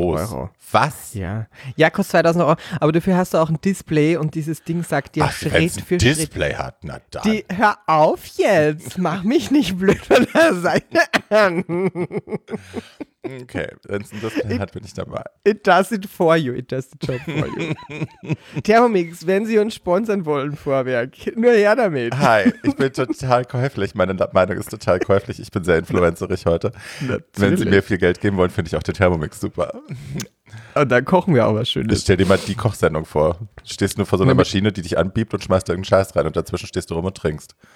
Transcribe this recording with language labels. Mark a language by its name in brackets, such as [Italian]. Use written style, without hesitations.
[German] Euro. Was? Ja, kostet 2000 Euro. Aber dafür hast du auch ein Display und dieses Ding sagt dir Schritt für Schritt. Ach, wenn es ein Display hat, na dann. Hör auf jetzt, mach mich nicht blöd von der Seite an. Okay, wenn es ein Display hat, bin ich dabei. [English] It does it for you, it does the job for you. [German] Thermomix, wenn Sie uns sponsern wollen, Vorwerk, nur her damit. Hi, ich bin total käuflich, meine Meinung ist total käuflich, ich bin sehr influencerig heute. Natürlich. Wenn Sie mir viel Geld geben wollen, finde ich auch den Thermomix super. Und dann kochen wir auch was Schönes. Stell dir mal die Kochsendung vor. Du stehst nur vor so einer Maschine, die dich anbiebt und schmeißt irgendeinen Scheiß rein und dazwischen stehst du rum und trinkst.